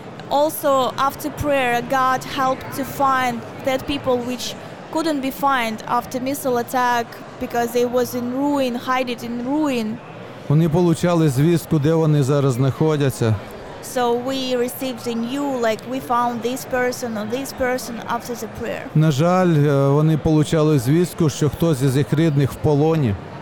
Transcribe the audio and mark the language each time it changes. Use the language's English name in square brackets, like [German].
[English] Also, after prayer, God helped to find dead people which couldn't be found after missile attack because they was in ruin, hiding in ruin. [Ukrainian] Вони получали звістку, де вони зараз знаходяться. [English] So we received the new, like we found this person after the prayer. [Ukrainian] На жаль, вони получали звістку, що хтось із їх рідних в полоні.